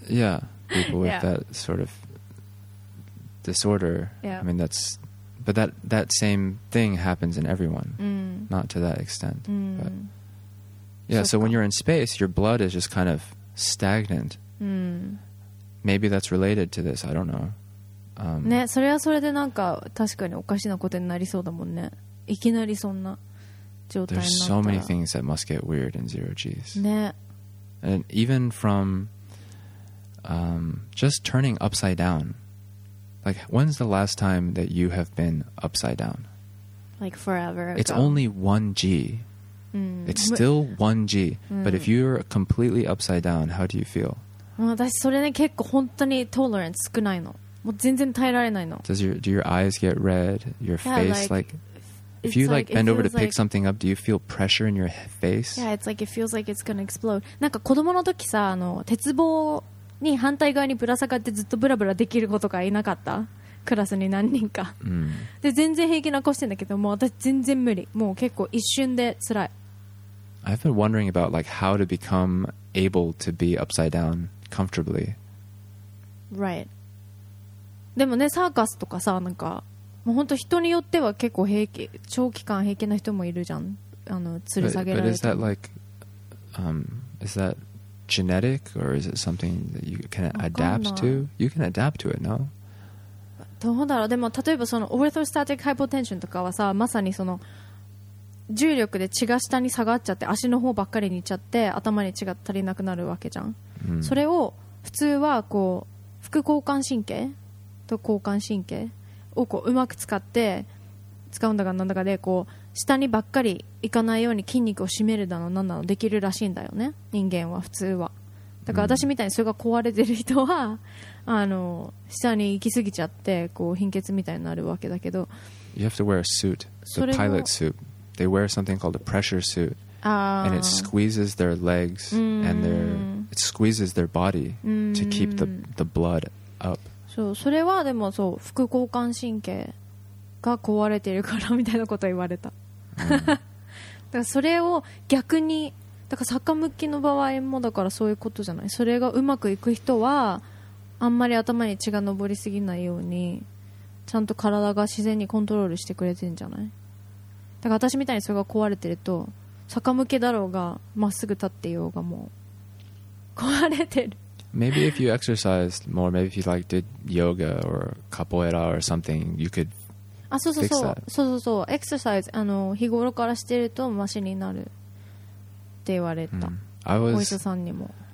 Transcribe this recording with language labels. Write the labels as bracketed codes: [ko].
[en] Yeah, people with that sort of disorder. Yeah. I mean, that's, but that same thing happens in everyone, not to that extent. Mm. But yeah, so when you're in space, your blood is just kind of stagnant. Mm. Maybe that's related to this. I don't know. [ja] ね、それはそれでなんか確かにおかしなことになりそうだもんね。いきなりそんな状態になったら。 [en] There's so many things that must get weird in zero G's. [ja] ね。 [en] And even from just turning upside down. Like, when's the last time that you have been upside down? Like forever ago. It's only 1G. Mm. It's still 1G. Mm. But if you're completely upside down, how do you feel? [ja] 私それね結構本当にトーレランス少ないの、もう全然耐えられないの。 [en] Do your eyes get red? Your face, yeah, like if you like bend over to pick something up, do you feel pressure in your face? Yeah, it's like it feels like it's gonna explode. [ja] なんか子供の時さ、あの鉄棒に反対側にぶら下がってずっとブラブラできる子とかいなかった？クラスに何人か。で全然平気な子してんだけど、もう私全然無理。もう結構一瞬で辛い。 [en] I've been wondering about like how to become able to be upside down. Comfortably. Right. [ja] でもね、サーカスとかさ、なんかもう本当人によっては結構平気、長期間平気な人もいるじゃん。あの吊る下げられて。 [en] But is that like, is that genetic or is it something that you can adapt to? You can adapt to it, no? [ja] どうだろう。でも例えばそのオーソスタティックハイポテンションとかはさ、まさにその重力で血が下に下がっちゃって足の方ばっかりにいっちゃって頭に血が足りなくなるわけじゃん。それを普通はこう副交感神経と交感神経をこううまく使って使うんだかなんだかでこう下にばっかり行かないように筋肉を締めるだのなんだのできるらしいんだよね、人間は普通は。だから私みたいにそれが壊れてる人はあの下に行き過ぎちゃってこう貧血みたいになるわけだけど、 [en] You have to wear a suit, the pilot suit. They wear something called a pressure suit. And it squeezes their legs and their... It squeezes their body to keep the blood up. So, [ja] それはでもそう副交感神経が壊れているからみたいなこと言われた。だからそれを逆に、だから逆向きの場合もだからそういうことじゃない。それがうまくいく人はあんまり頭に血が上りすぎないようにちゃんと体が自然にコントロールしてくれてるんじゃない。だから私みたいにそれが壊れてると逆向きだろうがまっすぐ立っていようがもう。 [en] Maybe if you exercised more, maybe if you like did yoga or capoeira or something, you could fix that. [ja] そうそうそう。Exercise, 日頃からしてるとマシになるって言われた。 [en] I was, [ja] お医者さんにも。